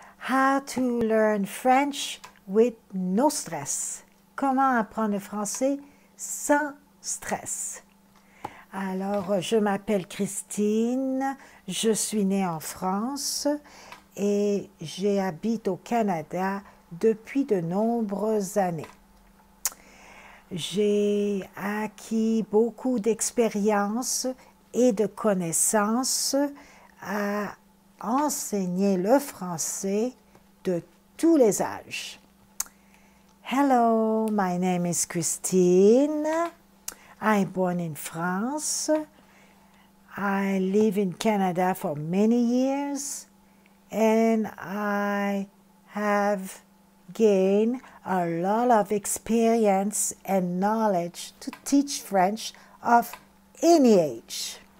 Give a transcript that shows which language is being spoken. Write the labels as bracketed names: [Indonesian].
[English] How to learn French with no stress. [French] Comment apprendre le français sans stress? Alors, je m'appelle Christine, je suis née en France et j'habite au Canada depuis de nombreuses années. J'ai acquis beaucoup d'expérience et de connaissances à enseigner le français de tous les âges. [English] Hello, my name is Christine. I'm born in France. I live in Canada for many years and I have gained a lot of experience and knowledge to teach French of any age.